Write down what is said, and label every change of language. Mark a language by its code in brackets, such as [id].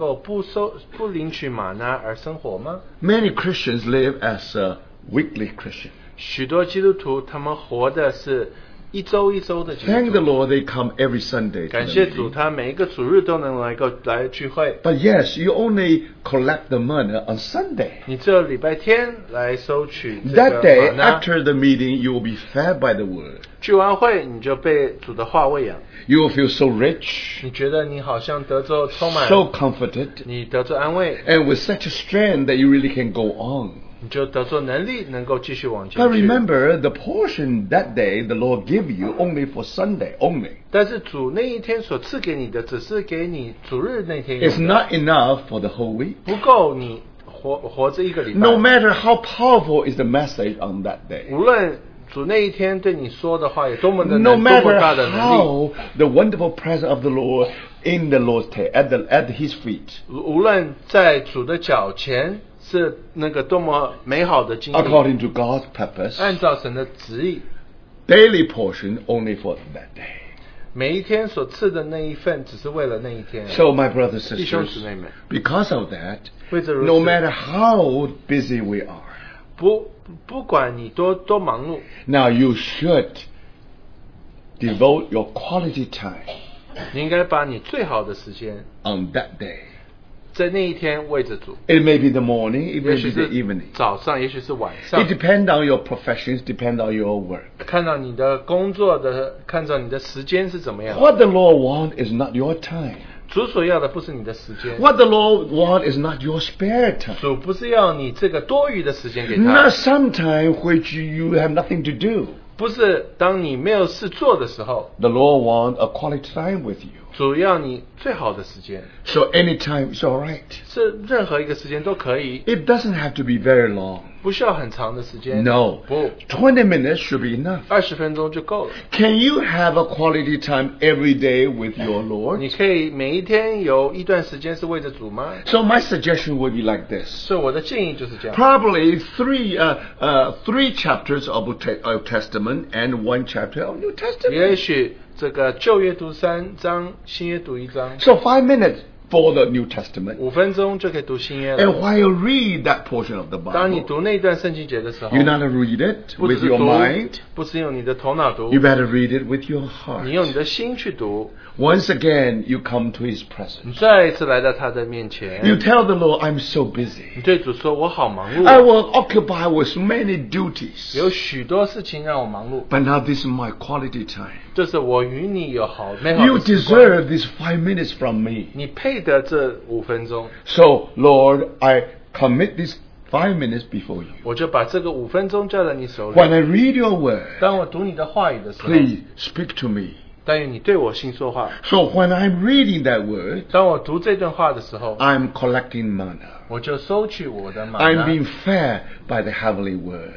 [zh] 你有办法想象有基督徒能够不领取玛纳而生活吗? [en] Many Christians live as a weekly Christian. [zh] 许多基督徒他们活的是一周一周的基督徒。 [en] Thank the Lord they come every Sunday. [zh] 感谢主他每一个主日都能来聚会。 [en] But yes, you only collect the manna on Sunday. [zh] 你只有礼拜天来收取这个玛纳。 [en] That day, after the meeting, you will be fed by the word. [zh] 聚完会你就被主的话喂养。 [en] You will feel so rich. [zh] 你觉得你好像得着充满。 [en] So comforted. [zh] 你得着安慰。 [en] And with such a strength that you really can go on. [zh] 你就得着能力能够继续往前去。 [en] But remember, the portion that day the Lord give you only for Sunday only. [zh] 但是主那一天所赐给你的只是给你主日那天用的。 [en] It's not enough for the whole week. [zh] 不够你活这一个礼拜。 [en] No matter how powerful is the message on that day. [zh] 无论主那一天对你说的话有多么的能力。 [en] No matter how the wonderful presence of the Lord in the Lord's table, at his feet. [zh] 无论在主的脚前, 是那个多么美好的经历, [en] according to God's purpose, [zh] 按照神的旨意, [en] daily portion only for that day. [zh] 每一天所赐的那一份只是为了那一天。 [en] So my brothers and sisters, because of that, [zh] 为着如此, [en] no matter how busy we are, [zh] 不管你多忙碌, [en] now you should devote your quality time, [zh] 你应该把你最好的时间, [en] on that day. [zh] 在那一天为着主, [en] it may be the morning, it may be the evening. [zh] 早上, [en] it depends on your professions, depends on your work. [zh] 看到你的工作的, 看到你的时间是怎么样的。 [en] What the Lord wants is not your time. [zh] 主所要的不是你的时间。 [en] What the Lord wants is not your spare time. [zh] 主不是要你这个多余的时间给他。 [en] Not sometime which you have nothing to do. [zh] 不是当你没有事做的时候, [en] the Lord wants a quality time with you. [zh] 主要你最好的时间。 [en] So anytime is alright. [zh] 是任何一个时间都可以。 [en] It doesn't have to be very long. [zh] 不需要很长的时间。 [en] No. [zh] 不, [en] 20 minutes should be enough. [zh] 20分钟就够了。 [en] Can you have a quality time every day with your Lord? [zh] 你可以每一天有一段时间是为着主吗? [en] So my suggestion would be like this. [zh] 所以我的建议就是这样。 [en] Probably three chapters of Old Testament and one chapter of New Testament. [zh] 也许 这个旧约读三章, 新约读一章, [en] so 5 minutes for the New Testament. [zh] 5分钟就可以读新约了。 [en] And while you read that portion of the Bible, [zh] 当你读那段圣经节的时候, [en] you not read it with your mind, [zh] 不是用你的头脑读, [en] you better read it with your heart. [zh] 你用你的心去读。 [en] Once again, you come to His presence. [zh] 你再一次来到他的面前。 [en] You tell the Lord, I'm so busy. [zh] 你对主说我好忙碌。 [en] I will occupy with many duties. [zh] 有许多事情让我忙碌。 [en] But now this is my quality time. [zh] 这是我与你有好美好的习惯。 [en] You deserve these 5 minutes from me. [zh] 你配得这5分钟。 [en] So, Lord, I commit these 5 minutes before you. [zh] 我就把这个5分钟交在你手里。 [en] When I read your word, [zh] 当我读你的话语的时候, [en] please speak to me. So when I'm reading that word, [zh] 当我读这段话的时候, [en] I'm collecting manna. [zh] 我就收取我的玛纳, [en] I'm being fed by the heavenly word.